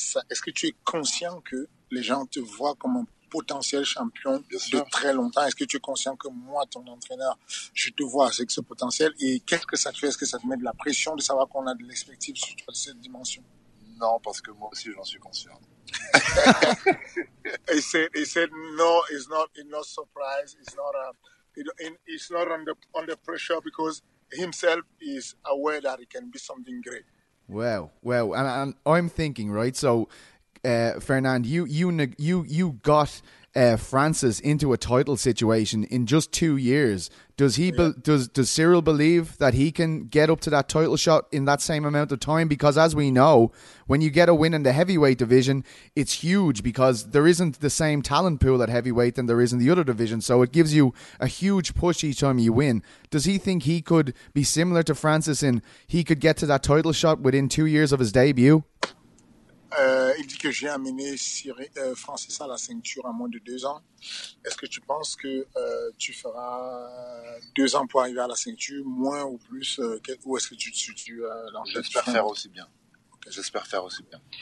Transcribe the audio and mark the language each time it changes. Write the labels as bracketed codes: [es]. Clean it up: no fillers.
[fr] Est-ce que tu es conscient que les gens te voient comme un potentiel champion de très longtemps? Est-ce que tu es conscient que moi, ton entraîneur, je te vois avec ce potentiel? Et qu'est-ce que ça te fait? Est-ce que ça te met de la pression de savoir qu'on a de l'expectative sur toi de cette dimension? Non, parce que moi aussi, j'en suis conscient. [en] He said, no, it's not a surprise, it's not a... It's not under pressure because himself is aware that it can be something great. Well, and I'm thinking, right? So, Fernand, you got Francis into a title situation in just 2 years. Does Cyril believe that he can get up to that title shot in that same amount of time? Because as we know, when you get a win in the heavyweight division, it's huge because there isn't the same talent pool at heavyweight than there is in the other division. So it gives you a huge push each time you win. Does he think he could be similar to Francis in he could get to that title shot within 2 years of his debut? [fr] Il dit que j'ai amené Francis à la ceinture en moins de 2 ans. Est-ce que tu penses que tu feras 2 ans pour arriver à la ceinture, moins ou plus, ou est-ce que J'espère faire aussi bien. Okay. J'espère faire aussi bien.